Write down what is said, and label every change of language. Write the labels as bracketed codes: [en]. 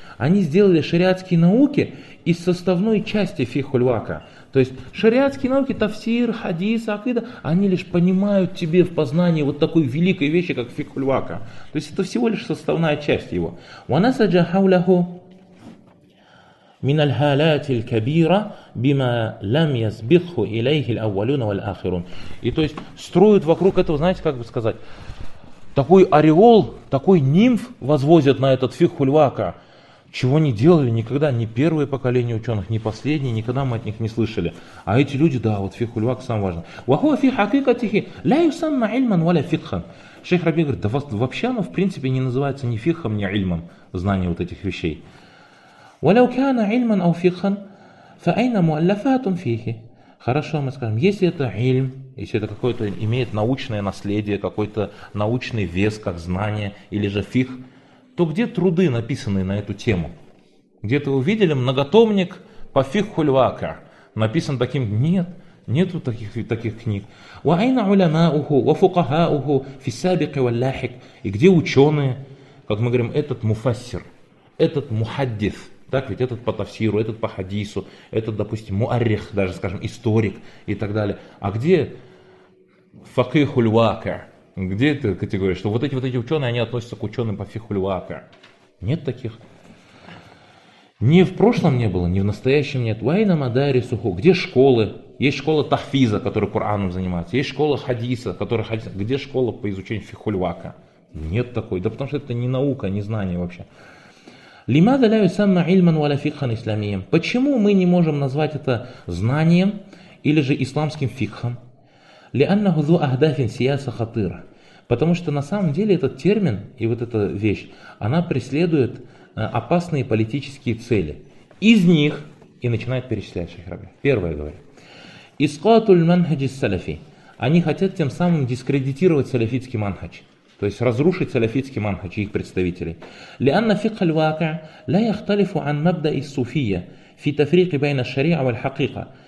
[ru] Они сделали шариатские науки из составной части фикху аль-вака. То есть шариатские науки, тафсир, хадис, акида, они лишь понимают тебе в познании вот такой великой вещи, как фикху аль-вака. То есть это всего лишь составная часть его. [ar] «Ванасаджа хауляху». من الهالات الكبيرة بما لم يسبقه إليه الأولون والآخرون. [ru] И то есть строят вокруг этого, знаете, как бы сказать, такой ореол, такой нимф возводят на этот фикху аль-вака, чего не делали никогда ни первое поколение ученых, ни последние, никогда мы от них не слышали. А эти люди, да, вот фикху аль-вака самое важное. [ar] وهو في حقيقته لا يسمى علما ولا فقها. [ru] Шейх Раби говорит, да вообще оно в принципе не называется ни фикхом, ни ильмом, знание вот этих вещей. [ar] ولو كان علما او فقها فاين مؤلفات فيه. [ru] Хорошо, мы скажем, если это ильм, если это какое-то имеет научное наследие, какой-то научный вес как знание или же фих, то где труды, написанные на эту тему? Где-то вы видели многотомник по фикху аль-вака, написан таким? Нет, нету таких книг. [ar] واين علماؤه وفقهاؤه في السابق واللاحق. [ru] И где ученые, как мы говорим, этот муфассир, этот мухаддис? Так ведь этот по тафсиру, этот по хадису, этот, допустим, муаррих, даже, скажем, историк и так далее. А где факиху аль-вака? Где эта категория, что вот эти ученые, они относятся к ученым по факиху аль-вака? Нет таких. Ни в прошлом не было, ни в настоящем нет. [ar] Вайна мадари суху. [ru] Где школы? Есть школа тахфиза, которая Кораном занимается. Есть школа хадиса, которая хадиса. Где школа по изучению факиху аль-вака? Нет такой. Да потому что это не наука, не знание вообще. [ar] لماذا لا يسمى علما ولا فقها اسلاميا؟ [ru] Почему мы не можем назвать это знанием или же исламским фикхом? [ar] لانه ذو اهداف سياسه خطيره. [ru] Потому что на самом деле этот термин и вот эта вещь, она преследует опасные политические цели. Из них и начинает перечислять шейх Раби. Первое говорит: [ar] اسقاط المنهج السلفي. [ru] Они хотят тем самым дискредитировать салафитский манхадж. То есть разрушить салафитский манхадж и их представителей. [ar] لأن فقه الواقع لا يختلف عن مبدأ الصوفية في تفريق بين الشريعة والحقيقة.